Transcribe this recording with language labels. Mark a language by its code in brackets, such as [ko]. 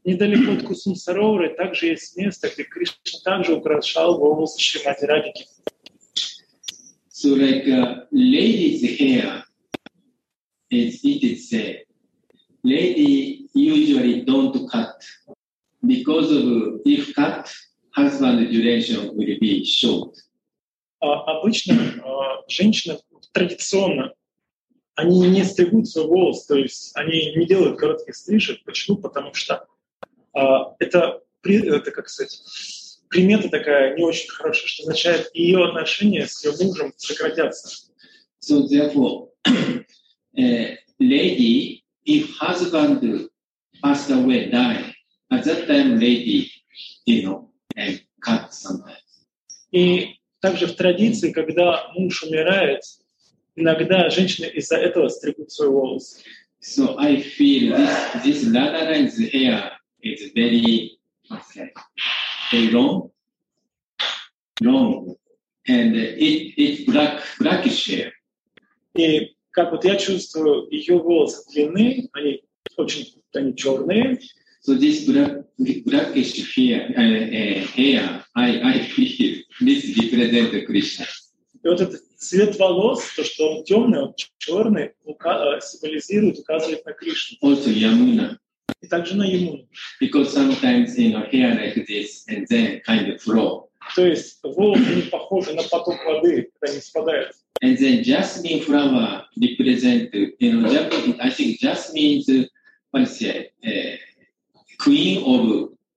[ru] Недалеко от Кусумсаровары также есть место, где Кришна также украшал волосы Шримати Радхики. [en] So like lady's hair, it's a lady usually don't cut because of if cut, husband duration will be short. [ru] Обычно женщина традиционно они не стригут свой волос, то есть они не делают коротких стрижек. Почему? Потому что это как сказать, примета такая не очень хорошая, что означает, ее отношения с ее мужем сократятся. [en] So therefore, lady, if husband passed away, died, at that time lady, cut sometimes. [ru] И также в традиции, когда муж умирает, иногда женщины из-за этого стригут свои волосы. [en] So I feel this Radharani's hair is very, very long, and it blackish hair. [ru] И как вот я чувствую, ее волосы длинны, они черные. [en] So this blackish hair, I feel this represents Krishna. [ru] И вот этот цвет волос, то, что он темный, он черный, символизирует, указывает на Кришну. [en] Also Yamuna. [ru] И также на Ямуну. [en] Because sometimes, hair like this, and then kind of flow. [ru] То есть волосы не похожи на поток воды, когда они спадают. [en] And then jasmine flower represent, I think jasmine is, what do you say, queen of